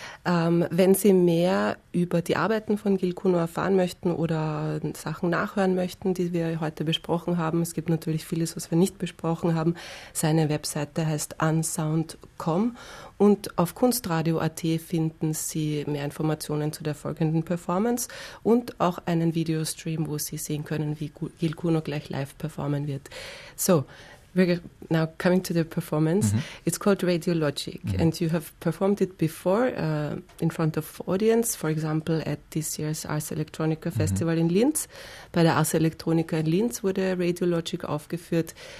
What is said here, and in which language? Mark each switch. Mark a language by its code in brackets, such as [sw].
[de] Wenn Sie mehr über die Arbeiten von Gil Kuno erfahren möchten oder Sachen nachhören möchten, die wir heute besprochen haben, es gibt natürlich vieles, was wir nicht besprochen haben, seine Webseite heißt unsound.com und auf kunstradio.at finden Sie mehr Informationen zu der folgenden Performance und auch einen Videostream, wo Sie sehen können, wie Gil Kuno gleich live performen wird. [en] So, we're now coming to the performance. Mm-hmm. It's called Radiologic, mm-hmm. and you have performed it before in front of audience, for example, at this year's Ars Electronica Festival mm-hmm. in Linz. [de] Bei der Ars Electronica in Linz wurde Radiologic aufgeführt.